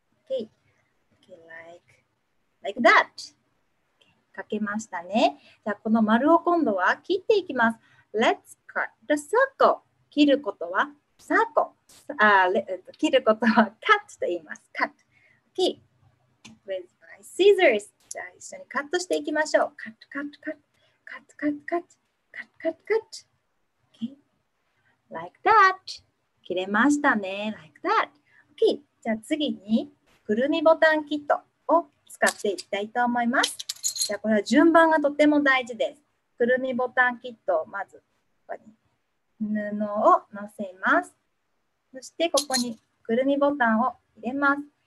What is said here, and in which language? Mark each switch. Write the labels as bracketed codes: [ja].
[en] OK! Okay, like that! [ja] かけましたね。じゃあこの丸を今度は切っていきます。 [en] Let's cut the circle。 [ja] 切ることは circle、 切ることは cut と言います。 [en] cut、 okay. With my scissors。 [ja] じゃあ一緒にカットしていきましょう。 [en] cut cut cut cut cut cut cut cut cut cut、okay. like that。 [ja] 切れましたね。 [en] like that、okay. [ja] じゃあ次にくるみボタンキットを使っていきたいと思います。じゃあこれは順番がとても大事です。くるみボタンキットをまずここに布を載せます。そしてここにくるみボタンを入れます。